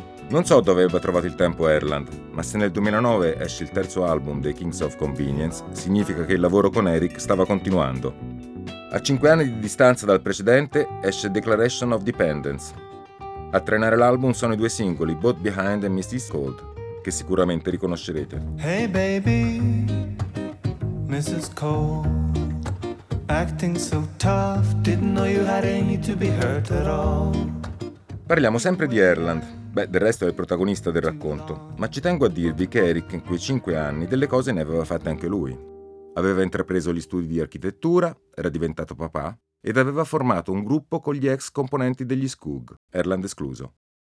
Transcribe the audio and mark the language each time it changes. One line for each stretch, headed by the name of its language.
Italian: Non so dove abbia trovato il tempo Erland, ma se nel 2009 esce il terzo album dei Kings of Convenience, significa che il lavoro con Eric stava continuando. A 5 anni di distanza dal precedente esce Declaration of Dependence. A trainare l'album sono i due singoli, Both Behind e Misty's Cold, che sicuramente riconoscerete.
English: Hey baby, Mrs. Cold, acting so tough, didn't know you had any to be hurt at all.
Italian: Parliamo sempre di Erland. Beh, del resto è il protagonista del racconto, ma ci tengo a dirvi che Eric in quei 5 anni delle cose ne aveva fatte anche lui. Aveva intrapreso gli studi di architettura, era diventato papà ed aveva formato un gruppo con gli ex componenti degli Skoog, Erland escluso.